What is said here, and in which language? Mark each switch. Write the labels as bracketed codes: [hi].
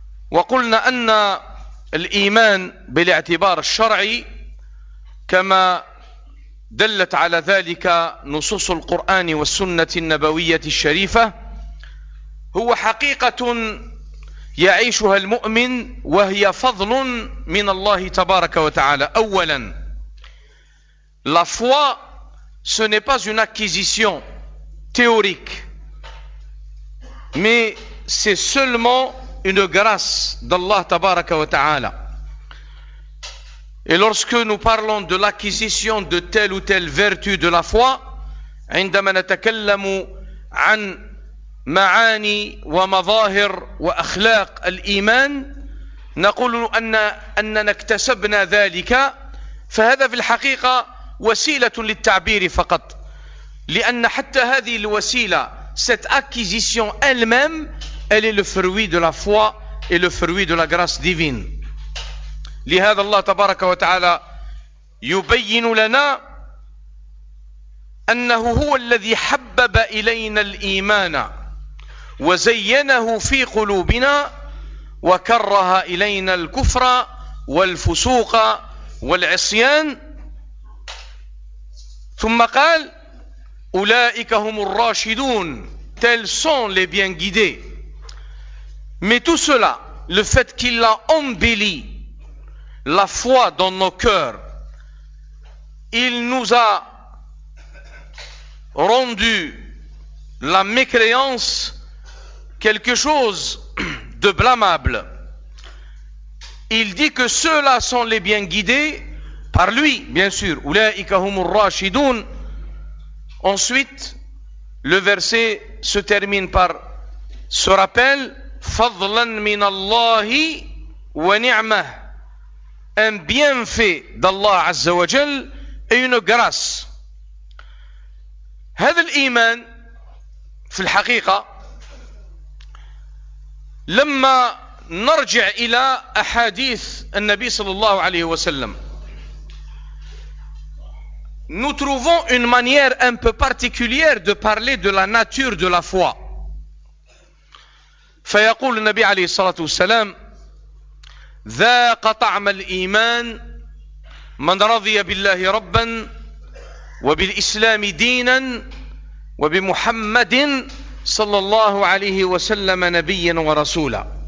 [ar] وقلنا أن الإيمان بالاعتبار الشرعي كما دلت على ذلك نصوص القرآن والسنة النبوية الشريفة هو حقيقة يعيشها المؤمن، وهي فضل من الله تبارك وتعالى. [fr] أولا، la foi ce n'est pas une acquisition théorique mais c'est seulement une grâce d'Allah تبارك وتعالى. Et lorsque nous parlons de l'acquisition de telle ou telle vertu de la foi, [ar] عندما نتكلم عن معاني ومظاهر وأخلاق الإيمان نقول أننا اكتسبنا ذلك، فهذا في الحقيقة وسيلة للتعبير فقط، لأن حتى هذه الوسيلة [fr] cette acquisition elle-même elle est le fruit de la foi et le fruit de la grâce divine. [ar] لهذا الله تبارك وتعالى يبين لنا أنه هو الذي حبب إلينا الإيمان وزينه في قلوبنا وكره إلينا الكفر والفسوق والعصيان، ثم قال أولئك هم الراشدون [fr] tels sont les bien guidés. Mais tout cela, le fait qu'il a embelli la foi dans nos cœurs, il nous a rendu la mécréance quelque chose de blâmable. Il dit que ceux-là sont les bien guidés par lui, bien sûr. [ar] Oulaïka humur rashidun. [fr] Ensuite, le verset se termine par ce rappel: [ar] Fadlan min Allahi wa ni'mah. [fr] Un bienfait d'Allah Azza wa Jal et une grâce. [ar] Had al-Iman, fil haqiqa. لما نرجع إلى أحاديث النبي صلى الله عليه وسلم [fr] nous trouvons une manière un peu particulière de parler de la nature de la foi. [ar] فيقول النبي عليه الصلاة والسلام ذاق طعم الإيمان من رضي بالله ربا وبالإسلام دينا وبمحمد صلى الله عليه وسلم نبيا ورسولا.